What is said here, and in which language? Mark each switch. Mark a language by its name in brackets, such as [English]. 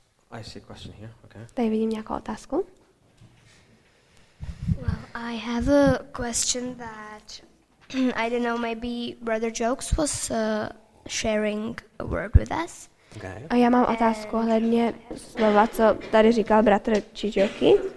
[English] I see a question here. Okay. [Czech] Tady vidím nějakou otázku. [English] Well, I have a question that I don't know, maybe Brother Jokes was sharing a word with us. Okay. [Czech] A já mám otázku ohledně slova, co tady říkal bratr Čičoky.